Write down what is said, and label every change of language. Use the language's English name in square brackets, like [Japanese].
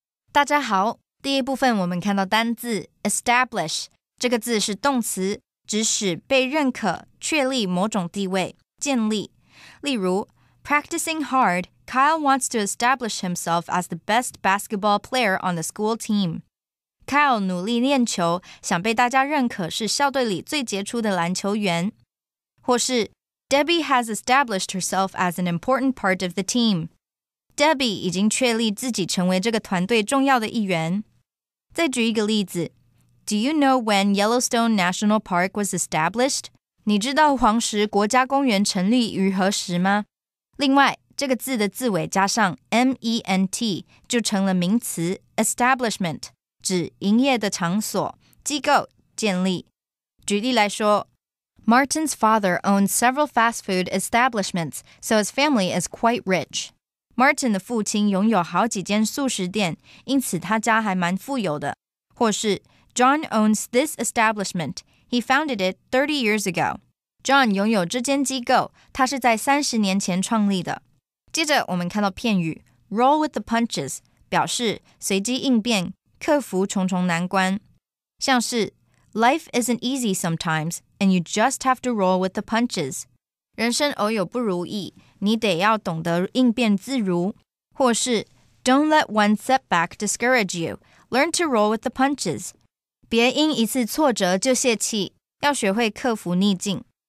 [Chinese] 大家好，第一部分我们看到单字 establish， 这个字是动词，指使被认可，确立某种地位，建立。 [English] 例如 ，practicing hard。 Kyle wants to establish himself as the best basketball player on the school team. [Chinese] Kyle 努力练球，想被大家认可是校队里最杰出的篮球员。 [English] 或是 Debbie has established herself as an important part of the team. [Chinese] Debbie 已经确立自己成为这个团队重要的一员。再举一个例子 [English] ，Do you know when Yellowstone National Park was established? [Chinese] 你知道黄石国家公园成立于何时吗？另外。这个字的字尾加上 ment 就成了名词 establishment， 指营业的场所、机构、建立。举例来说 [English] ，Martin's father owns several fast food establishments, so his family is quite rich. [Chinese] Martin 的父亲拥有好几间素食店，因此他家还蛮富有的。 [English] 或是 John owns this establishment. He founded it 30 years ago. [Chinese] John 拥有这间机构，他是在30年前创立的。接着我们看到片语 [English] roll with the punches， [Chinese] 表示随机应变，克服重重难关。 [English] 像是 life isn't easy sometimes, and you just have to roll with the punches。 [Chinese] 人生偶有不如意，你得要懂得应变自如。 [English] 或是 don't let one setback discourage you, learn to roll with the punches。 [Chinese] 别因一次挫折就泄气，要学会克服逆境。